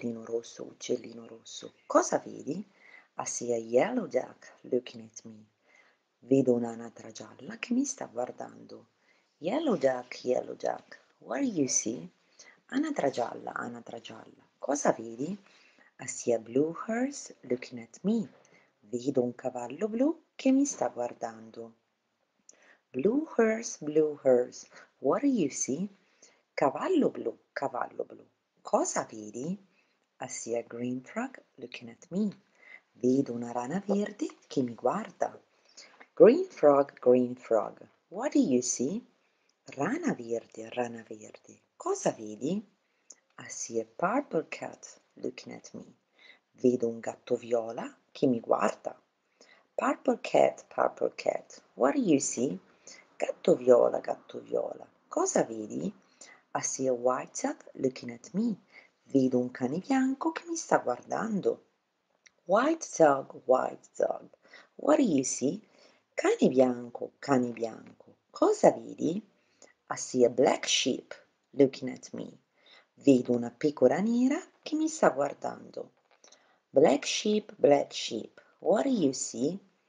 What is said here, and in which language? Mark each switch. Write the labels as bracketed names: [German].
[Italian] Uccellino rosso, cosa vedi? [English] I see a yellow duck looking at me. [Italian] Vedo un'anatra gialla che mi sta guardando. [English] Yellow duck. What do you see? [Italian] Anatra gialla, cosa vedi? [English] I see a blue horse looking at me. [Italian] Vedo un cavallo blu che mi sta guardando. [English] Blue horse, what do you see? [Italian] Cavallo blu, cosa vedi? [English] I see a green frog looking at me. [Italian] Vedo una rana verde che mi guarda. [English] Green frog, what do you see? [Italian] Rana verde, cosa vedi? [English] I see a purple cat looking at me. [Italian] Vedo un gatto viola che mi guarda. [English] Purple cat, what do you see? [Italian] Gatto viola, cosa vedi? [English] I see a white dog looking at me. [Italian] Vedo un cane bianco che mi sta guardando. [English] White dog, what do you see? [Italian] Cane bianco, cosa vedi? [English] I see a black sheep looking at me. [Italian] Vedo una pecora nera che mi sta guardando. [English] Black sheep, what do you see?